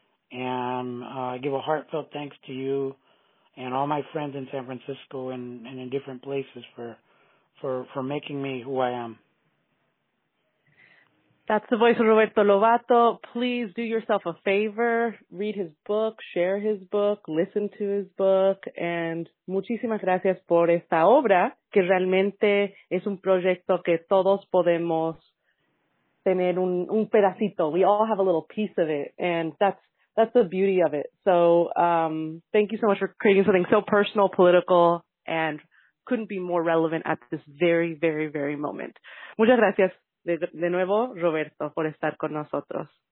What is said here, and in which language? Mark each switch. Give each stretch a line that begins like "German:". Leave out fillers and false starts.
English: And I give a heartfelt thanks to you and all my friends in San Francisco and in different places for making me who I am. That's the voice of Roberto Lovato. Please do yourself a favor. Read his book, share his book, listen to his book.
Spanish: And muchísimas gracias por esta obra, que realmente es un proyecto que todos podemos tener un pedacito.
English: We all have a little piece of it. And that's the beauty of it. So thank you so much for creating something so personal, political, and couldn't be more relevant at this very, very, very moment.
Spanish: Muchas gracias. De nuevo, Roberto, por estar con nosotros.